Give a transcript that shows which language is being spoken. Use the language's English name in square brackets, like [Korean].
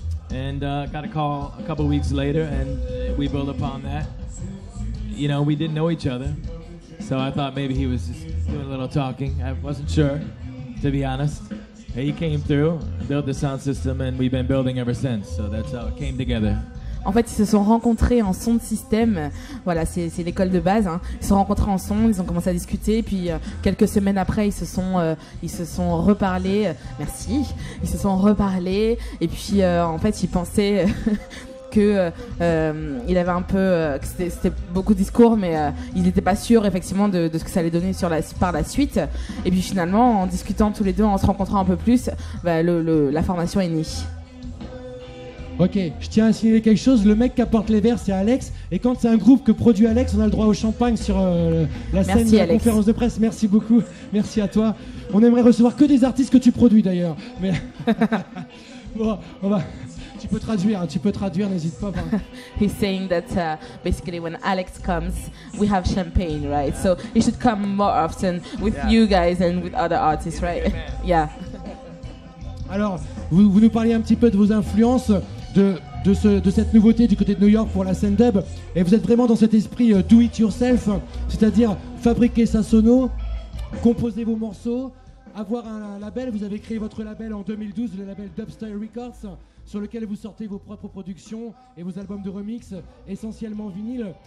[English] And got a call a couple weeks later and we built upon that. you know, we didn't know each other. So I thought maybe he was just doing a little talking. I wasn't sure, to be honest. He came through, built the sound system, and we've been building ever since. So that's how it came together. [French] En fait, ils se sont rencontrés en son de système. Voilà, c'est l'école de base. Hein. Ils se sont rencontrés en son, ils ont commencé à discuter. Puis quelques semaines après, ils se sont reparlés. Merci. Ils se sont reparlés. Et puis, en fait, ils pensaient qu'il avait un peu. C'était beaucoup de discours, mais ils n'étaient pas sûrs, effectivement, de ce que ça allait donner par la suite. Et puis, finalement, en discutant tous les deux, en se rencontrant un peu plus, la formation est née. Ok, je tiens à signaler quelque chose, le mec qui apporte les verres c'est Alex, et quand c'est un groupe que produit Alex, on a le droit au champagne sur la scène. Merci, de la Alex. Conférence de presse, merci beaucoup, merci à toi. On aimerait recevoir que des artistes que tu produis d'ailleurs, mais bon, tu peux traduire, n'hésite pas. [English] He's saying that basically when Alex comes, we have champagne, right? So he should come more often with you guys and with other artists, right? Yeah. [French] Alors, vous nous parliez un petit peu de vos influences, de cette nouveauté du côté de New York pour la scène dub, et vous êtes vraiment dans cet esprit [English] do it yourself, [French] c'est-à-dire fabriquer sa sono, composer vos morceaux, avoir un label. Vous avez créé votre label en 2012, le label Dubstyle Records, sur lequel vous sortez vos propres productions et vos albums de remix, essentiellement vinyle.